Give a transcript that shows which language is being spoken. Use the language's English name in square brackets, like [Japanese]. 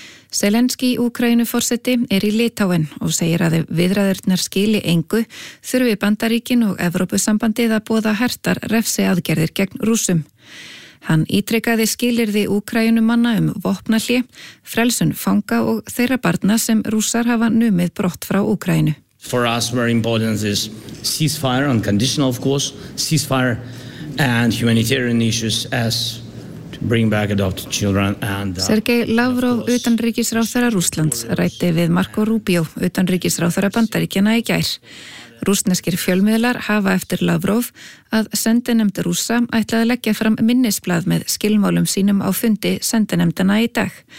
[Icelandic] Zelenský Úkraínuforseti í Litáen og segir að viðræðurnar skili engu þurfi Bandaríkin og Evrópusambandið að boða hertar refsi aðgerðir gegn Rússum. Hann ítrekaði skilyrði Úkraínumanna vopnahlé, frelsun fanga og þeirra barna sem Rússar hafa numið brott frá Úkraínu. [English] For us very important is ceasefire on condition of course, ceasefire and humanitarian issues as bring back adopted children and [Icelandic] Sergei Lavrov utanríkisráðherra Rússlands ræddi við Marco Rubio utanríkisráðherra Bandaríkjanna í gær. Rússneskir fjölmiðlar hafa eftir Lavrov að sendinefnd Rússa ætlaði að leggja fram minnisblað með skilmálum sínum á fundi sendinefndanna í dag.